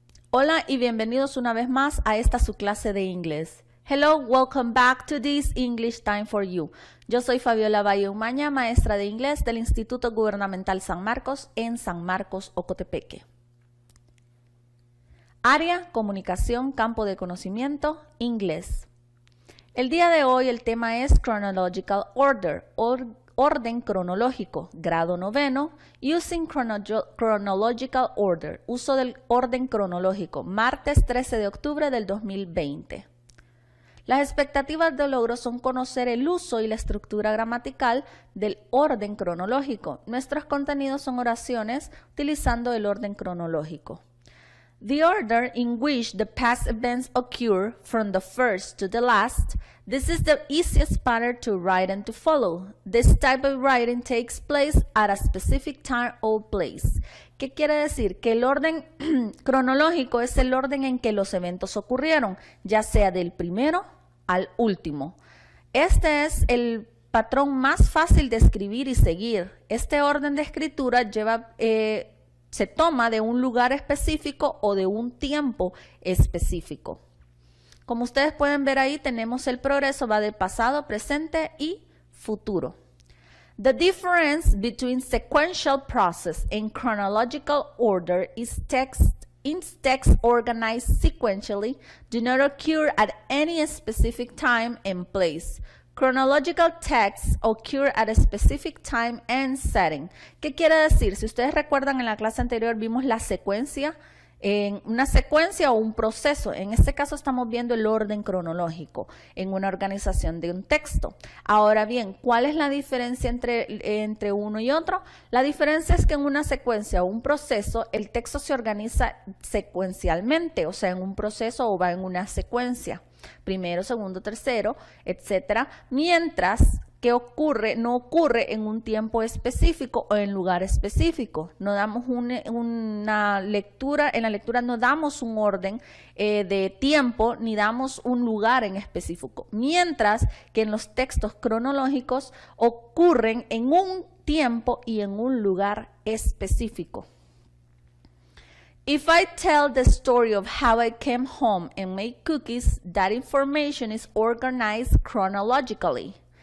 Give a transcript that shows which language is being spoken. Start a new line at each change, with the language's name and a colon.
Spanish: Hola y bienvenidos una vez más a esta su clase de inglés.
English: Hello, welcome back to this English time for you.
Spanish: Yo soy Fabiola Valle Umaña, maestra de inglés del Instituto Gubernamental San Marcos en San Marcos, Ocotepeque. Área, comunicación, campo de conocimiento, inglés. El día de hoy el tema es Chronological Order, orden cronológico, grado noveno,
English: using chronological order,
Spanish: uso del orden cronológico, martes 13 de octubre del 2020. Las expectativas de logro son conocer el uso y la estructura gramatical del orden cronológico. Nuestros contenidos son oraciones utilizando el orden cronológico.
English: The order in which the past events occur from the first to the last, this is the easiest pattern to write and to follow. This type of writing takes place at a specific time or place.
Spanish: ¿Qué quiere decir? Que el orden cronológico es el orden en que los eventos ocurrieron, ya sea del primero al último. Este es el patrón más fácil de escribir y seguir. Este orden de escritura lleva... se toma de un lugar específico o de un tiempo específico. Como ustedes pueden ver ahí, tenemos el progreso, va de pasado, presente y futuro.
English: The difference between sequential process and chronological order is text organized sequentially do not occur at any specific time and place. Chronological texts occur at a specific time and setting.
Spanish: ¿Qué quiere decir? Si ustedes recuerdan en la clase anterior vimos la secuencia, en una secuencia o un proceso. En este caso estamos viendo el orden cronológico en una organización de un texto. Ahora bien, ¿cuál es la diferencia entre uno y otro? La diferencia es que en una secuencia o un proceso el texto se organiza secuencialmente, o sea, en un proceso o va en una secuencia. Primero, segundo, tercero, etcétera, mientras que ocurre, no ocurre en un tiempo específico o en lugar específico. No damos una lectura, en la lectura no damos un orden de tiempo ni damos un lugar en específico, mientras que en los textos cronológicos ocurren en un tiempo y en un lugar específico.
English: If I tell the story of how I came home and made cookies, that information is organized chronologically.